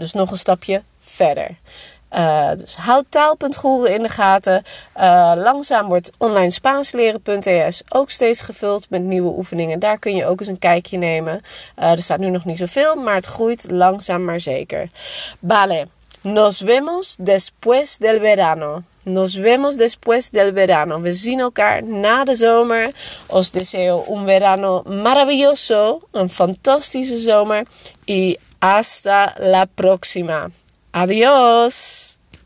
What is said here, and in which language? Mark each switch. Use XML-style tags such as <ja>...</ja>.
<nl>Dus nog een stapje verder. Dus houd taal.goeren in de gaten. Langzaam wordt onlinespaansleren.es ook steeds gevuld met nieuwe oefeningen. Daar kun je ook eens een kijkje nemen. Er staat nu nog niet zoveel, maar het groeit langzaam maar zeker.</nl> <es>Vale, nos vemos después del verano. Nos vemos después del verano.</es> <nl>We zien elkaar na de zomer.</nl> <es>Os deseo un verano maravilloso.</es> <nl>Een fantastische zomer.</nl> <es>Y hasta la próxima. Adiós.</es>